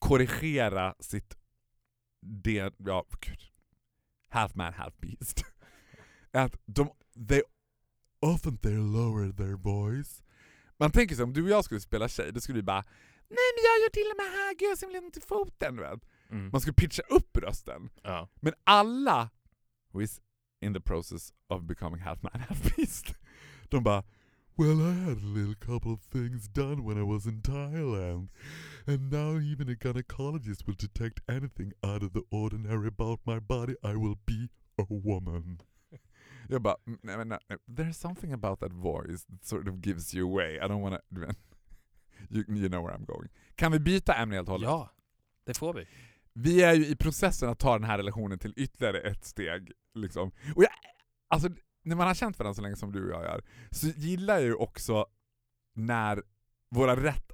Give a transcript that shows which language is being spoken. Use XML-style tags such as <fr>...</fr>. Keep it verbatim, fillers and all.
<sv>Korrigera sitt... Det, ja, gud.</sv> <en>Half man, half beast.</en> <sv>Att de...</sv> <en>They often they lower their voice.</en> <sv>Man tänker sig om du och jag skulle spela tjej, då skulle vi bara... Nej, men jag gör till och med här, gud, jag ser inte foten, du vet. Mm. Man skulle pitcha upp rösten. Ja. Men alla</sv> <en>who is in the process of becoming half man, half beast.</en> <sv>De bara,</sv> <en>well I had a little couple of things done when I was in Thailand. And now even a gynecologist will detect anything out of the ordinary about my body. I will be a woman.</en> <sv>Jag bara, "Mm, nej men nej, nej.</sv> <en>There's something about that voice that sort of gives you away. I don't wanna,</en> <sv>du vet.</sv> <en>you, you know where I'm going.</en> <sv>Kan vi byta ämne helt och hållet? ja, det får vi. Vi är ju i processen att ta den här relationen till ytterligare ett steg. Liksom. Och jag, alltså, när man har känt varandra så länge som du och jag gör, så gillar jag ju också när våra rätt...</sv>